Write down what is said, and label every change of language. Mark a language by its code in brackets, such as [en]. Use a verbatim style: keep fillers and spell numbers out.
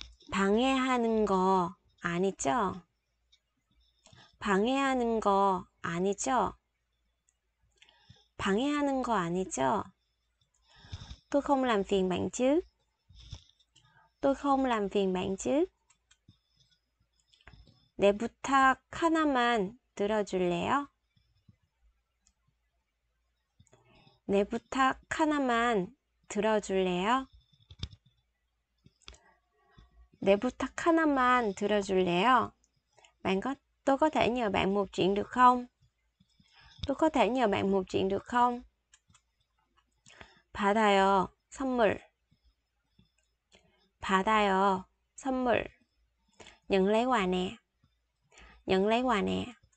[ko] 방해하는 거 아니죠? 방해하는 거 아니죠? 방해하는 거 아니죠? [vi] Tôi không làm phiền bạn chứ? Tôi không làm phiền bạn chứ? [ko] 내 부탁 하나만 들어줄래요? 내 부탁 하나만 들어줄래요? 내 부탁 하나만 들어줄래요? [vi] Bạn có tôi có thể nhờ bạn một chuyện được không? Tôi có thể nhờ bạn một chuyện được không? [ko] 받아요. 선물. 받아요. 선물. [vi] Nhận lấy quà nè. Nhận lấy quà nè.